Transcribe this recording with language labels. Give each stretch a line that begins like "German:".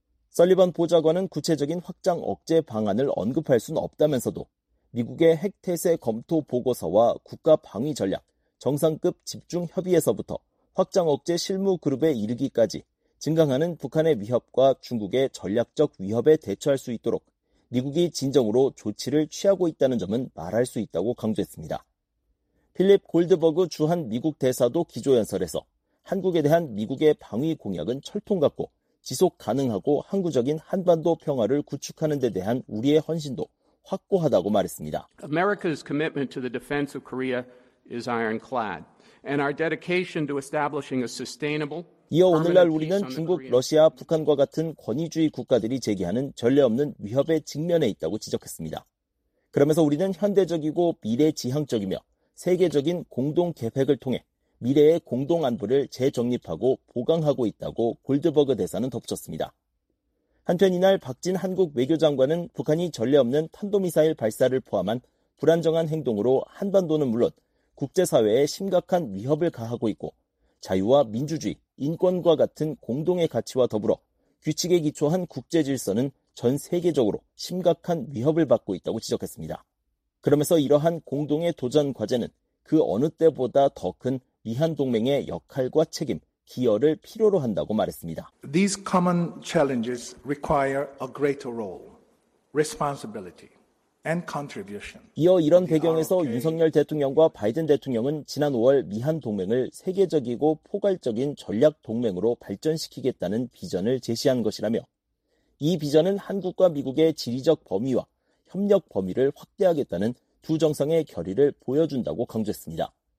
Korean: 설리번 보좌관은 구체적인 확장 억제 방안을 언급할 순 없다면서도 미국의 핵태세 검토 보고서와 국가 방위 전략, 정상급 집중 협의에서부터 확장 억제 실무 그룹에 이르기까지 증강하는 북한의 위협과 중국의 전략적 위협에 대처할 수 있도록 미국이 진정으로 조치를 취하고 있다는 점은 말할 수 있다고 강조했습니다. 필립 골드버그 주한 미국 대사도 기조연설에서 한국에 대한 미국의 방위 공약은 철통 같고 지속 가능하고 항구적인 한반도 평화를 구축하는 데 대한 우리의 헌신도 확고하다고 말했습니다.
English: America's commitment to the defense of Korea is ironclad, and our dedication to establishing a sustainable
Korean: 이어 오늘날 우리는 중국, 러시아, 북한과 같은 권위주의 국가들이 제기하는 전례 없는 위협의 직면에 있다고 지적했습니다. 그러면서 우리는 현대적이고 미래지향적이며 세계적인 공동 계획을 통해 미래의 공동 안보를 재정립하고 보강하고 있다고 골드버그 대사는 덧붙였습니다. 한편 이날 박진 한국 외교장관은 북한이 전례 없는 탄도미사일 발사를 포함한 불안정한 행동으로 한반도는 물론 국제사회에 심각한 위협을 가하고 있고 자유와 민주주의, 인권과 같은 공동의 가치와 더불어 규칙에 기초한 국제질서는 전 세계적으로 심각한 위협을 받고 있다고 지적했습니다. 그러면서 이러한 공동의 도전 과제는 그 어느 때보다 더 큰 미한 동맹의 역할과 책임, 기여를 필요로 한다고 말했습니다.
English: These common challenges require a greater role, responsibility, and contribution.
Korean: 이어 이런 배경에서 윤석열 대통령과 바이든 대통령은 지난 5월 미한 동맹을 세계적이고 포괄적인 전략 동맹으로 발전시키겠다는 비전을 제시한 것이라며 이 비전은 한국과 미국의 지리적 범위와 협력 범위를 확대하겠다는 두 정상의 결의를 보여준다고 강조했습니다.